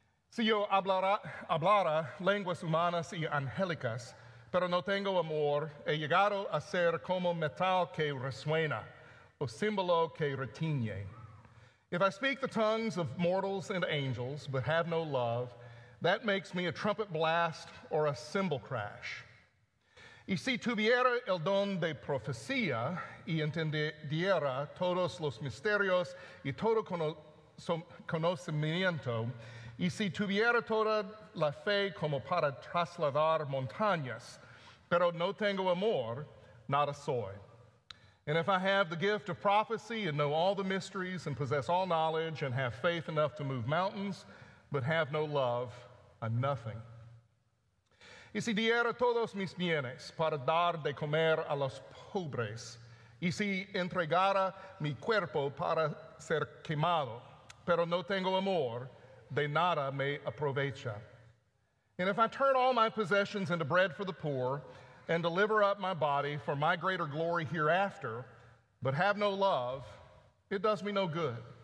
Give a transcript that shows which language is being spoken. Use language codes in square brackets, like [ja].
[es] Si yo hablara lenguas humanas y angélicas, pero no tengo amor, he llegado a ser como metal que resuena, o símbolo que retiñe. [en] If I speak the tongues of mortals and angels, but have no love, that makes me a trumpet blast or a cymbal crash. [es] Y si tuviera el don de profecía y entendiera todos los misterios y todo conocimiento, y si tuviera toda la fe como para trasladar montañas, pero no tengo amor, nada soy. [en] And if I have the gift of prophecy and know all the mysteries and possess all knowledge and have faith enough to move mountains, but have no love, I'm nothing. [es] Y si diera todos mis bienes para dar de comer a los pobres, y si entregara mi cuerpo para ser quemado, pero no tengo amor, de nada me aprovecha. [en] And if I turn all my possessions into bread for the poor and deliver up my body for my greater glory hereafter, but have no love, it does me no good.